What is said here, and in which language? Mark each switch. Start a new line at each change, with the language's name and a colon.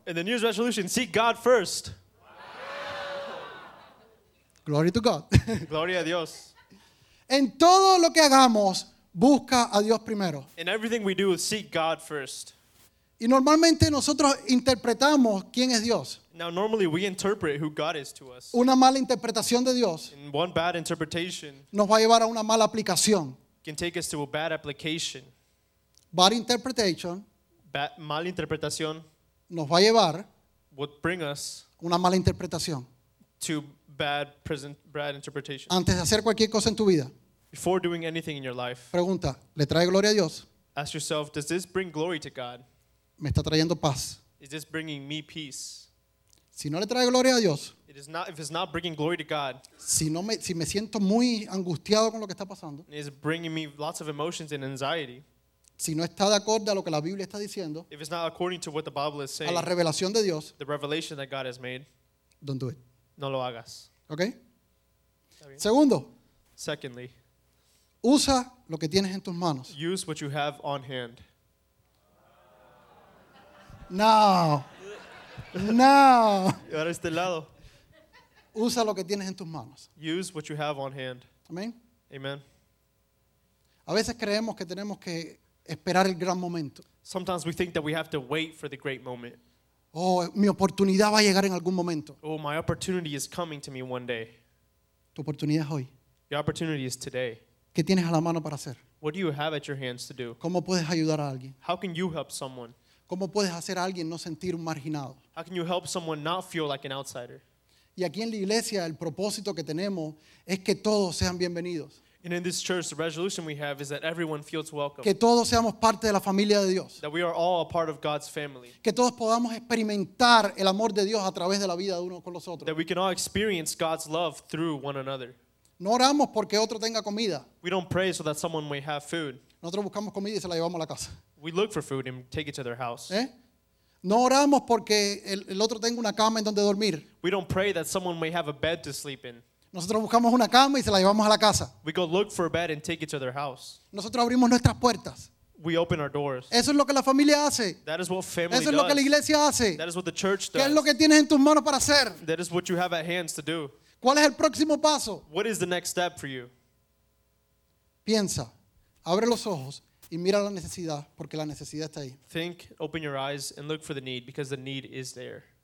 English: In the New Year's resolution, seek God first. Glory to God.
Spanish: Gloria a Dios. En todo lo que hagamos, busca a Dios primero.
English: In everything we do, seek God first.
Spanish: Y normalmente nosotros interpretamos quién es Dios.
English: Now normally we interpret who God is to us.
Spanish: Una mala interpretación de Dios.
English: And one bad interpretation.
Spanish: Nos va a llevar a una mala aplicación.
English: Can take us to a bad application. Bad interpretation.
Spanish: Mala interpretación. Nos va a llevar.
English: Would bring us.
Spanish: Una mala interpretación.
English: To bad present bad interpretation.
Spanish: Antes de hacer cualquier cosa en tu vida.
English: Before doing anything in your life.
Spanish: Pregunta, ¿le trae gloria a Dios?
English: Ask yourself, does this bring glory to God?
Spanish: Me está trayendo paz.
English: Is this bringing me peace?
Spanish: Si no le trae gloria a Dios.
English: It is not, if it's not bringing glory to God.
Spanish: Si me siento muy angustiado con lo que está pasando.
English: It's bringing me lots of emotions and anxiety.
Spanish: Si no está de acuerdo a lo que la Biblia está diciendo.
English: If it's not according to what the Bible is saying.
Spanish: A la revelación de Dios.
English: The revelation that God has made. Don't do it.
Spanish: No lo hagas. Okay? Segundo.
English: Secondly.
Spanish: Usa lo que tienes en tus manos.
English: Use what you have on hand.
Spanish: No. Ahora este lado. Usa lo que tienes en tus manos.
English: Use what you have on hand. Amen.
Spanish: Amen. A veces creemos que tenemos que esperar el gran momento.
English: Sometimes we think that we have to wait for the great moment.
Spanish: Oh, mi oportunidad va a llegar en algún momento.
English: Oh, my opportunity is coming to me one day.
Spanish: Tu oportunidad es hoy.
English: Your opportunity is today.
Spanish: ¿Qué tienes a la mano para hacer?
English: What do you have at your hands to do?
Spanish: ¿Cómo puedes ayudar a alguien?
English: How can you help someone?
Spanish: ¿Cómo puedes hacer a alguien no sentir un marginado?
English: How can you help someone not feel like an outsider?
Spanish: Y aquí en la iglesia el propósito que tenemos es que todos sean bienvenidos.
English: And in this church, the resolution we have is that everyone feels welcome.
Spanish: Que todos seamos parte de la familia de Dios.
English: That we are all a part of God's family.
Spanish: Que todos podamos experimentar el amor de Dios a través de la vida de uno con los otros.
English: That we can all experience God's love through one another.
Spanish: No oramos porque otro tenga comida.
English: We don't pray so that someone may have food.
Spanish: Nosotros buscamos comida y se la llevamos a la casa.
English: We look for food and take it to their house. ¿Eh?
Spanish: No oramos porque el otro tenga una cama en donde dormir.
English: We don't pray that someone may have a bed to sleep in.
Spanish: Nosotros buscamos una cama y se la llevamos a la casa.
English: We go look for a bed and take it to their house.
Spanish: Nosotros abrimos nuestras puertas.
English: We open our doors.
Spanish: Eso es lo que la familia hace.
English: That is what family does.
Spanish: Eso es lo que la iglesia hace.
English: That is what the church does.
Spanish: ¿Qué es lo que tienes en tus manos para hacer?
English: That is what you have at hands to do.
Spanish: ¿Cuál es el próximo paso?
English: What is the next step for you?
Spanish: Piensa. Abre los ojos y mira la necesidad, porque la necesidad está ahí.
English: Think, open your eyes and look for the need, because the need is there.